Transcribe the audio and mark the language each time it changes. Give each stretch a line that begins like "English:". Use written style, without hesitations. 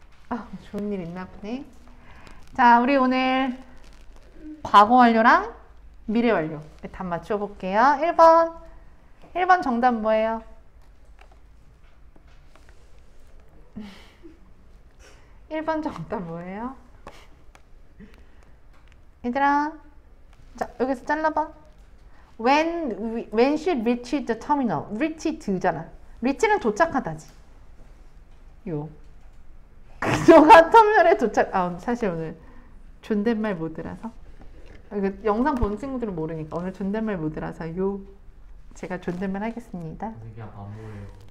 Korean: 아, 좋은 일 있나 보네. 자, 우리 오늘 과거 완료랑 미래 완료 단맛 쳐볼게요. 1번. 1번 정답 뭐예요? 1번 정답 뭐예요? 얘들아, 자, 여기서 잘라봐.
English: When she reached the terminal?
Korean: reached 잖아. reach는 도착하다지. 요. 그녀가 터미널에 도착, 아, 사실 오늘 존댓말 모드라서. 영상 본 친구들은 모르니까 오늘 존댓말 모드라서 요. 제가 존댓말 하겠습니다. 그냥 안 보여요.